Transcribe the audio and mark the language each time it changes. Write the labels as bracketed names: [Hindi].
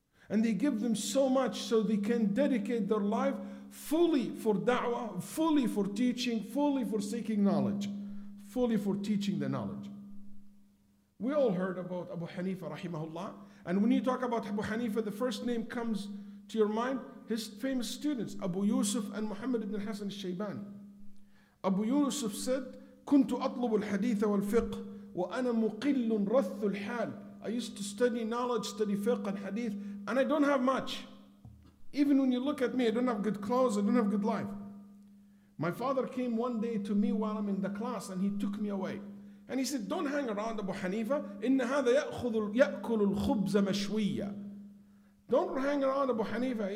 [English] And they give them so much so they can dedicate their life fully for da'wah, fully for teaching, fully for seeking knowledge, fully for teaching the knowledge. We all heard about Abu Hanifa, rahimahullah. And when you talk about Abu Hanifa, the first name comes to your mind, his famous students, Abu Yusuf and Muhammad ibn Hassan al-Shaybani. Abu Yusuf said, [Arabic] كنت أطلب الحديث والفقه وأنا مقل رث الحال. [English] I used to study knowledge, study fiqh and hadith, and I don't have much. Even when you look at me, I don't have good clothes, I don't have good life. My father came one day to me while I'm in the class, and he took me away. And he said, don't hang around Abu Hanifa. [Arabic] إِنَّ هَذَا يَأْكُلُ الْخُبْزَ مَشْوِيَّ. [English] Don't hang around Abu Hanifa.